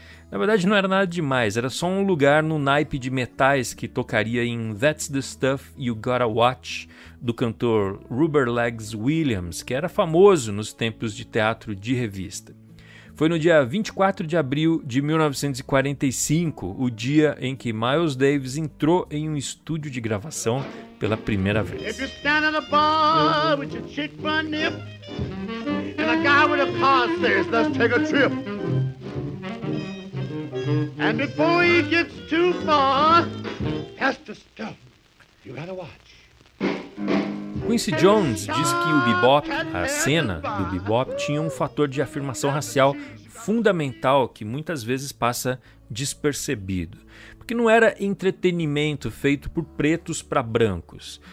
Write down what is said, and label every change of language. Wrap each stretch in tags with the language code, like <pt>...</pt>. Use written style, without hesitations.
<pt>Na verdade, não era nada demais, era só um lugar no naipe de metais que tocaria em That's the Stuff You Gotta Watch, do cantor Rubberlegs Williams, que era famoso nos tempos de teatro de revista. Foi no dia 24 de abril de 1945, o dia em que Miles Davis entrou em um estúdio de gravação pela primeira vez.</pt> <en>If you're standing in a bar with your chick by nip, and a guy with a car says, let's take a trip. And before he gets too far, has to stop. You gotta watch.</en> <pt>Quincy Jones diz que o bebop, a cena do bebop, tinha um fator de afirmação racial fundamental que muitas vezes passa despercebido. Porque não era entretenimento feito por pretos para brancos.</pt>